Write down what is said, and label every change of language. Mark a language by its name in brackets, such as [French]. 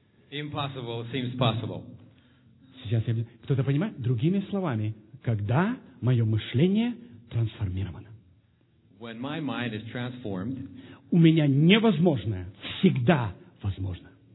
[English] Impossible seems possible. [Russian] Сейчас я... Кто-то понимает? Другими словами, когда мое мышление трансформировано. [English] When my mind is transformed, [Russian] у меня невозможное всегда возможно.